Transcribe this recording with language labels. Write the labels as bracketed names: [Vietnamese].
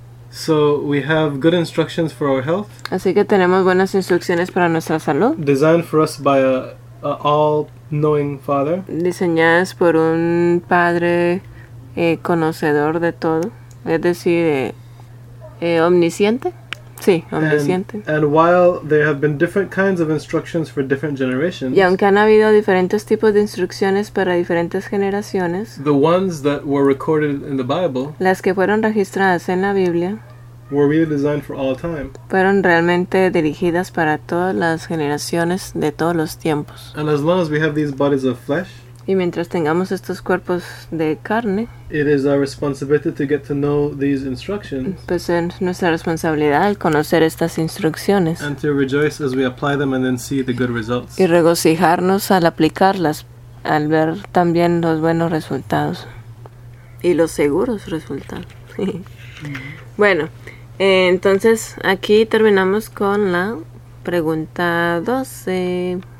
[English] So we have good instructions for our health. [Spanish] Así que tenemos buenas instrucciones para nuestra salud. [English] Designed for us by a all-knowing father. [Spanish] Diseñadas por un padre conocedor de todo, es decir, omnisciente. Sí, omnisciente. [English] And while there have been different kinds of instructions for different generations. [Spanish] Y aunque han habido diferentes tipos de instrucciones para diferentes generaciones. [English] The ones that were recorded in the Bible. [Spanish] Las que fueron registradas en la Biblia. [English] Were really designed for all time. [Spanish] Fueron realmente dirigidas para todas las generaciones de todos los tiempos. [English] And as long as we have these bodies of flesh. [Spanish] Y mientras tengamos estos cuerpos de carne, [English] it is our responsibility to get to know these instructions. [Spanish] Pues es nuestra responsabilidad el conocer estas instrucciones. [English] And to rejoice as we apply them and then see the good results. [Spanish] Y regocijarnos al aplicarlas, al ver también los buenos resultados y los seguros resultados. Mm-hmm. Bueno, entonces aquí terminamos con la pregunta 12.